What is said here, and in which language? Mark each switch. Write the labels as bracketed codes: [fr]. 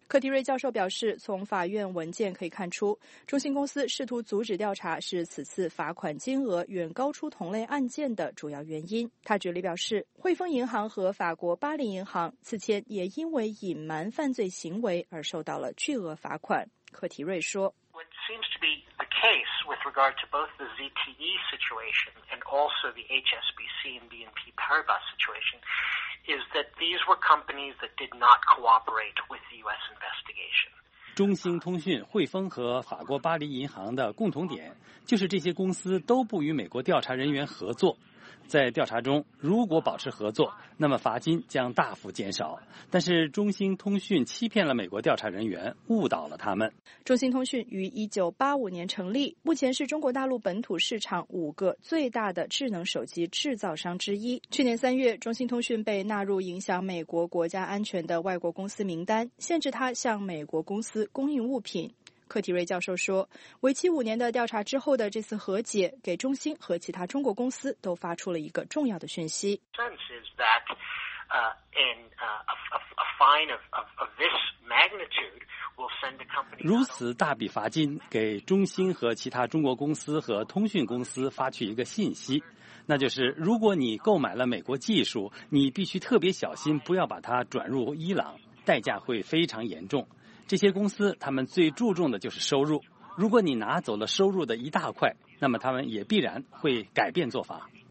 [zh] 克迪瑞教授表示，从法院文件可以看出，中兴公司试图阻止调查是此次罚款金额远高出同类案件的主要原因。他举例表示，汇丰银行和法国巴黎银行此前也因为隐瞒犯罪行为而受到了巨额罚款。克迪瑞说， [en] case with regard to both the ZTE situation and also the HSBC and BNP Paribas situation is that these were companies that did not cooperate with the U.S. investigation. [zh] 中兴通讯、汇丰和法国巴黎银行的共同点就是这些公司都不与美国调查人员合作。在调查中，如果保持合作，那么罚金将大幅减少。但是中兴通讯欺骗了美国调查人员，误导了他们。中兴通讯于1985年成立，目前是中国大陆本土市场5个最大的智能手机制造商之一。去年3月，中兴通讯被纳入影响美国国家安全的外国公司名单，限制它向美国公司供应物品。克提瑞教授说，为期5年的调查之后的这次和解，给中兴和其他中国公司都发出了一个重要的讯息。 [en] Sense is that in a fine of this magnitude will send a company. [zh] 如此大笔罚金给中兴和其他中国公司和通讯公司发去一个信息，那就是如果你购买了美国技术，你必须特别小心，不要把它转入伊朗，代价会非常严重。这些公司他们最注重的就是收入，如果你拿走了收入的一大块，那么他们也必然会改变做法。